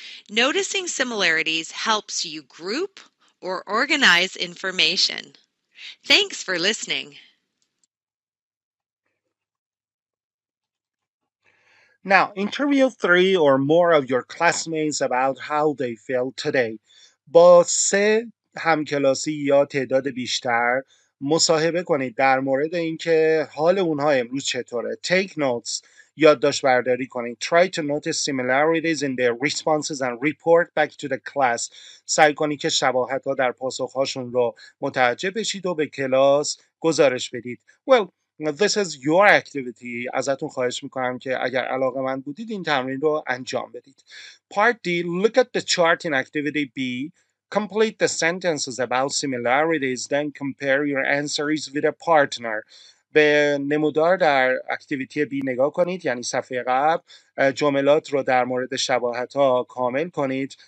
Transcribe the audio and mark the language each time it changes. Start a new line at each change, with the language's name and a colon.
English: Noticing similarities helps you group or organize information. Thanks for listening. Now, interview three or more of your classmates about how they feel today.
Persian: با سه همکلاسی یا تعداد بیشتر مصاحبه کنید در مورد اینکه حال اونها امروز چطوره.
English: Take notes,
Persian: یادداشت برداری کنید.
English: Try to notice similarities in their responses and report back to the class.
Persian: سعی کنید که شباهت‌ها در پاسخ‌هاشون رو متوجه بشید و به کلاس گزارش بدید.
English: Well, this is your activity.
Persian: ازتون خواهش میکنم که اگر علاقه من بودید این تمرین رو انجام بدید.
English: Part D. Look at the chart in activity B. Complete the sentences about similarities, then compare your answers with a partner.
Persian: به نمودار در اکتیویتی B نگاه کنید، یعنی صفحه قبل، جملات رو در مورد شباهت ها کامل کنید.